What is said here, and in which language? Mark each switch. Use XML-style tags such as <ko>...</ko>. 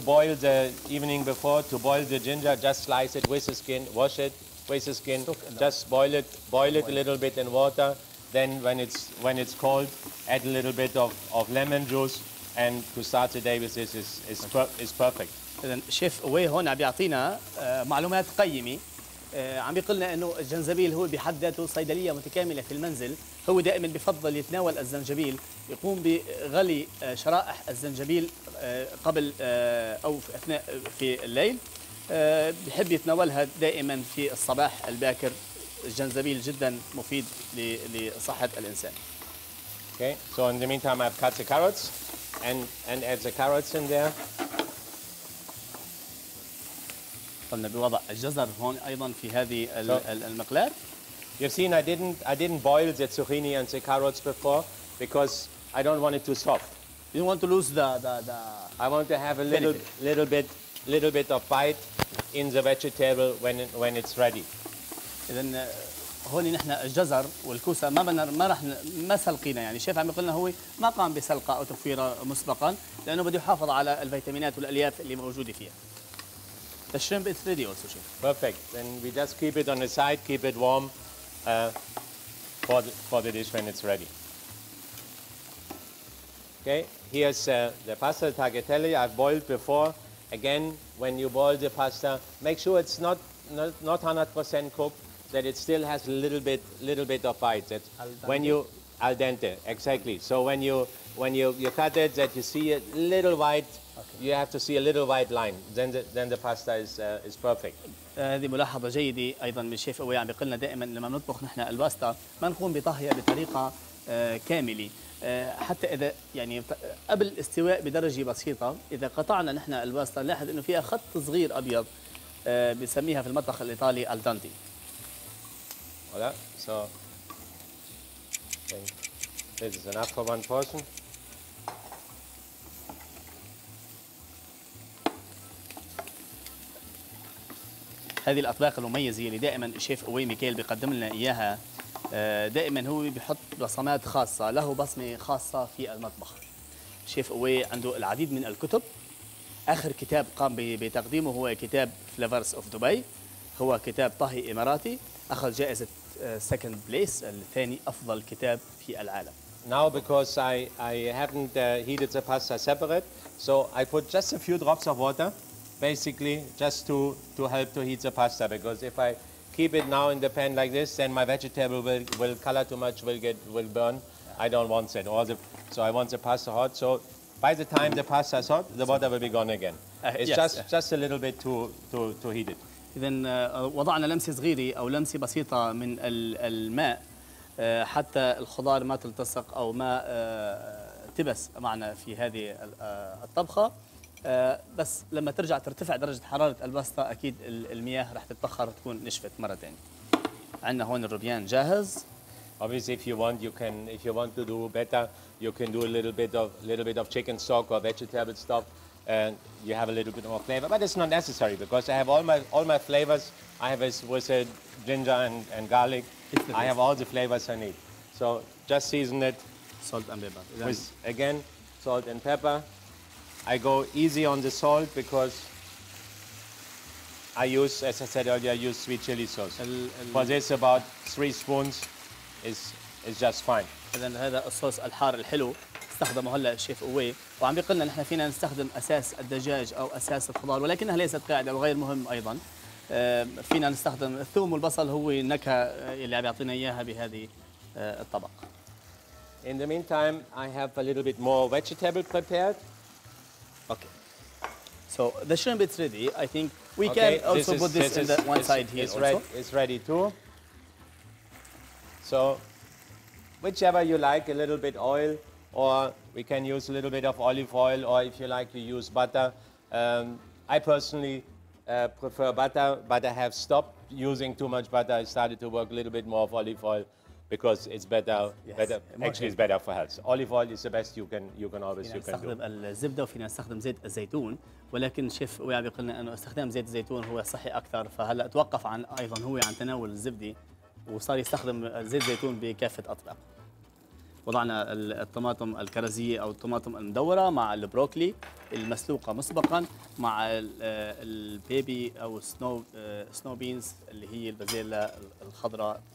<en>boil the evening before, to boil the ginger, just slice it with the skin, wash it with the skin, just boil it a little bit in water. Then when it's cold, add a little bit of lemon juice, and to start the day with this is perfect.</en> <ar>إذن شيف أوي هون عم بيعطينا معلومات قيمة. عم بيقول لنا إنه الجنزبيل هو بحد ذاته صيدلية متكاملة في المنزل، هو دائما بفضل يتناول الزنجبيل، يقوم بغلي شرائح الزنجبيل قبل أو في أثناء في الليل، بحب يتناولها دائما في الصباح الباكر. الجنزبيل جدا مفيد لصحة الإنسان.</ar> <en>Okay, so in the meantime I've cut the carrots and add the carrots in there.</en> <ar>قمنا بوضع الجزر هون ايضا في هذه المقلاة.</ar> <en>You've seen I didn't boil the zucchini and the carrots before because I don't want it too soft. You don't want to lose the I want to have a little bit of bite in the vegetable when it's ready.</en> <ar>اذا هون نحن الجزر والكوسه ما سلقينا يعني الشيف عم يقول لنا هو ما قام بسلقها او تفويرها مسبقا لانه بده يحافظ على الفيتامينات والالياف اللي موجوده فيها.</ar> <en>The shrimp is ready also, chef. Perfect. Then we just keep it on the side, keep it warm for the dish when it's ready. Okay, here's the pasta tagliatelle I've boiled before. Again, when you boil the pasta, make sure it's not 100% cooked, that it still has a little bit of bite. That when you al dente, exactly. So when you cut it, that you see a little white. Okay. You have to see a little white line. Then the pasta is perfect.</en> <ar>هذه ملاحظة جيدة أيضا من الشيف أوي عم بيقلنا دائما لما نطبخ نحن الباستا ما نقوم بطهيها بطريقة كاملة حتى إذا يعني قبل الاستواء بدرجة بسيطة إذا قطعنا نحن الباستا نلاحظ إنه فيها خط صغير أبيض بسميها في المطبخ الإيطالي الدانتي.</ar> <en>Voilà. So this is enough for one portion.</en> <ar>هذه الأطباق المميزة اللي دائما الشيف أوي ميكيل بيقدم لنا إياها دائما هو بيحط بصمات خاصة له بصمة خاصة في المطبخ. الشيف أوي عنده العديد من الكتب، آخر كتاب قام بتقديمه هو كتاب فليفرز أوف دبي، هو كتاب طهي إماراتي أخذ جائزة</ar> <en>second place</en> <ar>الثاني أفضل كتاب في العالم.</ar> <en>Now because I haven't heated the pasta separate, so I put just a few drops of water. Basically, just to help to heat the pasta, because if I keep it now in the pan like this, then my vegetable will color too much, will burn. Yeah. I don't want that. So I want the pasta hot. So by the time the pasta is hot, the water will be gone again. It's just a little bit to heat it.</en> <ar>إذن وضعنا لمسة صغيرة أو لمسة بسيطة من الماء حتى الخضار ما تلتصق أو ما تبس معنا في هذه الطبخة. بس لما ترجع ترتفع درجة حرارة الباستا أكيد المياه راح تتبخر تكون نشفت مرة تانية. عندنا هون الروبيان جاهز.</ar> <en>Obviously, if you want to do better, you can do a little bit of chicken stock or vegetable stock, and you have a little bit more flavor. But it's not necessary because I have all my flavors. I have with the ginger and garlic. I have all the flavors I need. So just season it. Salt and pepper. With again, salt and pepper. I go easy on the salt because I use, as I said earlier, I use sweet chili sauce. For this, about 3 spoons is just fine.</en> <ar>إذن هذا الصوص الحار الحلو استخدمه هلا الشيف أوي وعم بيقلنا نحن فينا نستخدم أساس الدجاج أو أساس الخضار ولكنها ليست قاعدة وغير مهم أيضا فينا نستخدم الثوم والبصل هو النكهة اللي عم يعطينا إياها بهذه الطبق.</ar> <en>In the meantime, I have a little bit more vegetable prepared. Okay, so the shrimp is ready. I think we okay, can also this put this, is, this in the one side here. It's also. Ready, it's ready too. So, whichever you like, a little bit oil, or we can use a little bit of olive oil, or if you like, you use butter. I personally prefer butter, but I have stopped using too much butter. I started to work a little bit more of olive oil. Because it's better, yes. better. More actually, it's better for health. Olive oil is the best you can always you can do.</en> <ar>نستخدم الزبدة وفينا نستخدم زيت الزيتون ولكن شيف ويا بيقولنا إنه استخدام زيت الزيتون هو صحي أكثر فهلا توقف عن أيضا هو عن تناول الزبدة وصار يستخدم زيت الزيتون بكافة أطباق. وضعنا الطماطم الكرزية أو الطماطم المدورة مع البروكلي المسلوقة مسبقا مع البيبي أو سنو بينز اللي هي البازيلا الخضراء.</ar>